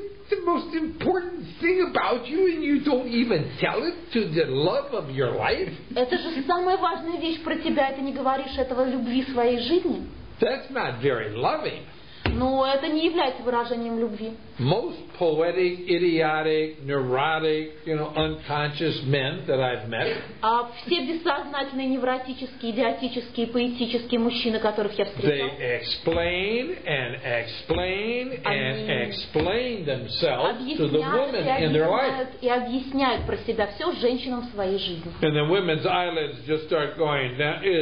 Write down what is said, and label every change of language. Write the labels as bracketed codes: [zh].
[en] The most important thing about you, and you don't even tell it to the love of your life? [ru] Это же самая важная вещь про тебя, ты не говоришь этого любви своей жизни? [en] That's not very loving. [ru] Но это не является выражением любви. [en] Most poetic, idiotic, neurotic, you know, unconscious men that I've met. [ru] А все бессознательные, невротические, идиотические, поэтические мужчины, которых я встречал. [en] They explain and explain and explain themselves to the women in their life. [ru] И объясняют про себя все женщинам в своей жизни. [en] And the women's eyelids just start going down.